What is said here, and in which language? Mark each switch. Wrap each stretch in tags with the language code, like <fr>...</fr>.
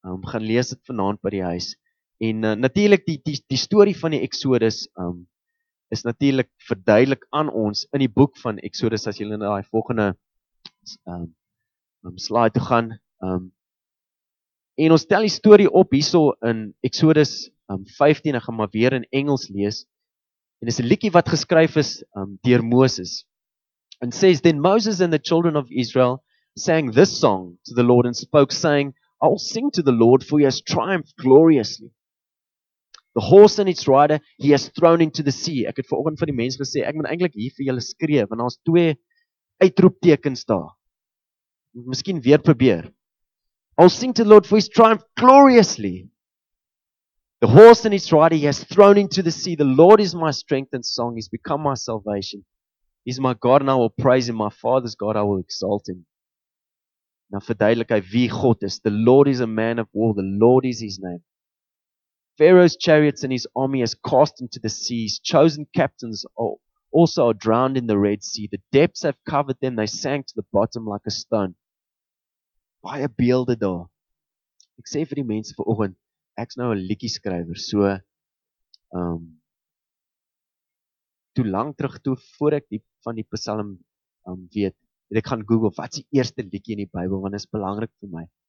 <af>Gaan lees dit vanaand by die huis. En natuurlik die storie van die Exodus is natuurlik verduidelik aan ons in die boek van Exodus as jy na daai volgende slide toe gaan. En ons tel die storie op hierso in Exodus 15 en gaan maar weer in Engels lees. En dis 'n liedjie wat geskryf is deur Moses.</af> <en>And says, then Moses and the children of Israel sang this song to the Lord and spoke, saying, I will sing to the Lord, for he has triumphed gloriously. The horse and its rider he has thrown into the sea.</en> <af>Ek het vanoggend vir die mense gesê, ek moet eintlik hier vir julle skree, want daar's twee uitroeptekens daar. Miskien weer probeer.</af> <en>I will sing to the Lord, for he has triumphed gloriously. The horse and its rider he has thrown into the sea. The Lord is my strength and song. He's become my salvation. He's my God and I will praise him. My father's God, I will exalt him.</en> <af>Nou verduidelik hy wie God is.</af> <en>The Lord is a man of war. The Lord is his name. Pharaoh's chariots and his army has cast into the seas. Chosen captains also are drowned in the Red Sea. The depths have covered them. They sank to the bottom like a stone.</en> <af>Baie beelde daar. Ek sê vir die mense vanoggend. Ek's nou 'n liedjie skrywer. So toe lank terug toe voor ek die van die Psalm weet, het ek gaan Google wat is die eerste liedjie in die Bybel want dit is belangrik vir my.</af>